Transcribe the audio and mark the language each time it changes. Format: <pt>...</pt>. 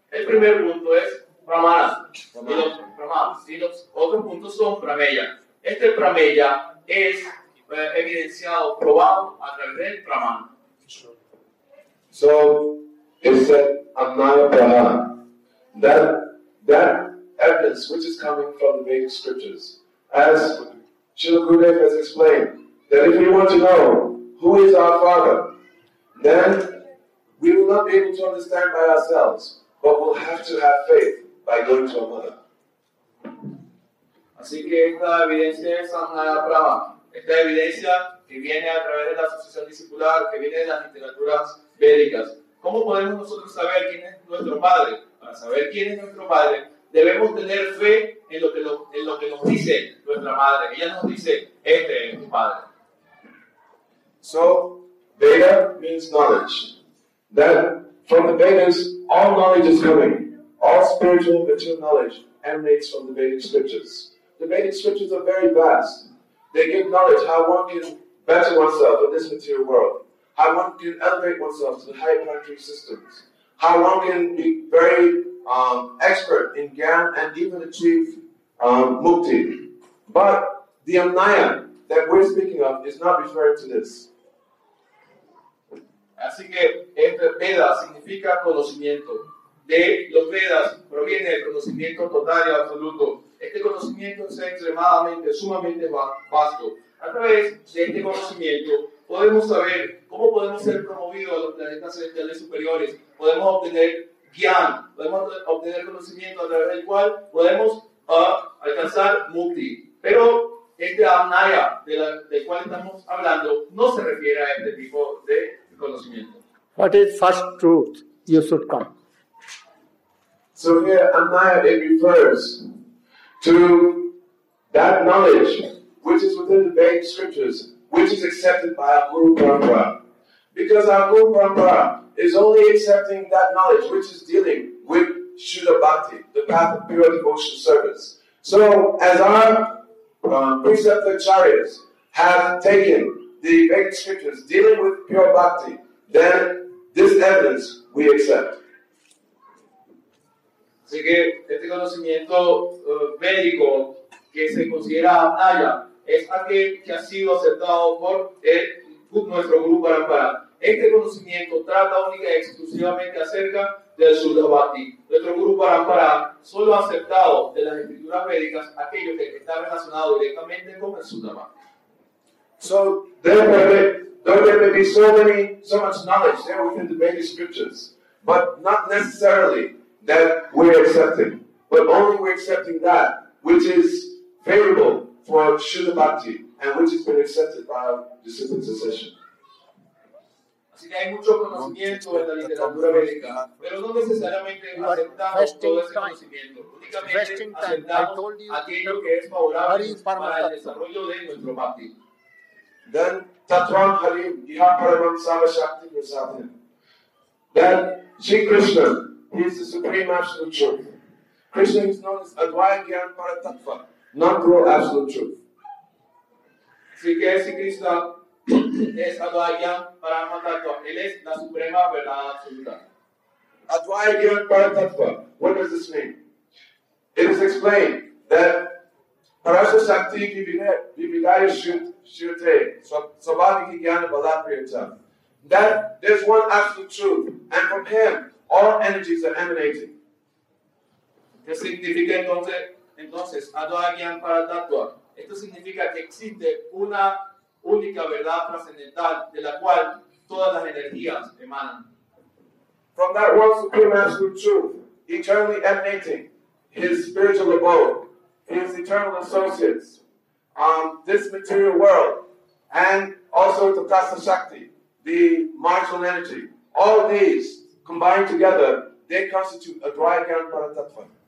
<es>El primer punto es pramana, y los otros puntos son prameya. Este prameya es evidenciado, probado a través del Brahman.</es> <en>So it said Amnaya Praha. That evidence which is coming from the Vedic scriptures, as Srila Gurudev has explained, that if we want to know who is our father, then we will not be able to understand by ourselves, but we'll have to have faith by going to our mother.</en> <es>Así que esta evidencia es Amnaya Praha. Esta evidencia que viene a través de la asociación discipular, que viene de las literaturas védicas. ¿Cómo podemos nosotros saber quién es nuestro padre? Para saber quién es nuestro padre, debemos tener fe en lo que nos dice nuestra madre. Ella nos dice, este es tu padre.</es> <en>So, Veda means knowledge. That from the Vedas, all knowledge is coming. All spiritual and material knowledge emanates from the Vedic scriptures. The Vedic scriptures are very vast. They give knowledge how one can better oneself in this material world, how one can elevate oneself to the higher planetary systems, how one can be very expert in Gyan and even achieve Mukti. But the Amnaya that we're speaking of is not referring to this.</en> <es>Así que este Veda significa conocimiento. De los Vedas proviene el conocimiento total y absoluto. Este conocimiento es extremadamente, sumamente vasto. A través de este conocimiento podemos saber cómo podemos ser promovidos a los planetas celestiales superiores. Podemos obtener Gyan, podemos obtener conocimiento a través del cual podemos alcanzar Mukti. Pero este Amnaya del cual estamos hablando no se refiere a este tipo de conocimiento.</es> <en>What is first truth you should come? So here, Amnaya, it refers to that knowledge which is within the Vedic scriptures, which is accepted by our Guru Parampara. Because our Guru Parampara is only accepting that knowledge which is dealing with Shuddha Bhakti, the path of pure devotional service. So, as our preceptor acharyas have taken the Vedic scriptures dealing with pure Bhakti, then this evidence we accept.</en> <es>Así que este conocimiento médico que se considera Amnaya es aquel que ha sido aceptado por nuestro Guru Parampara. Este conocimiento trata única y exclusivamente acerca del Shuddha Bhakti. Nuestro Guru Parampara solo ha aceptado de las escrituras médicas aquello que está relacionado directamente con el Shuddha Bhakti.</es> <en>So, there may be so much knowledge there within the Vedic scriptures, but not necessarily that we're accepting, but only we're accepting that which is favorable for Shuddha Bhakti and which has been accepted by our disciplined succession.</en> <es>Así que hay mucho conocimiento en la literatura védica, pero no necesariamente aceptamos todo ese conocimiento. Únicamente aceptamos aquello que es favorable para el desarrollo de nuestro Bhakti.</es> <sa>Then, Tatvam Harim, Iha Paramam Sarva Shakti Prasadam.</sa> <en>Then, Shri Krishna, He is the Supreme Absolute Truth. Krishna is known as Advaya Gyan Paratattva, non-dual Absolute Truth.</en> <es>Así que si Krishna es Advaya Gyan Paratattva, Él es la Suprema Verdad Absoluta.</es> <en>Advaya Gyan Paratattva, what does this mean? It is explained that</en> <sa>Parasya Shakti Vividaya Shirte Svabhaviki Gyan Balapriyata,</sa> <en>that there's one Absolute Truth, and from Him, all energies are emanating.</en> <es>¿Qué significa entonces Advaya Gyan Paratattva? Esto significa que existe una única verdad trascendental de la cual todas las energías emanan.</es> <en>From that one supreme absolute truth, eternally emanating, His spiritual abode, His eternal associates, this material world, and also the Tatasa Shakti, the marginal energy, all these combined together, they constitute a dry ground para tattva.</en>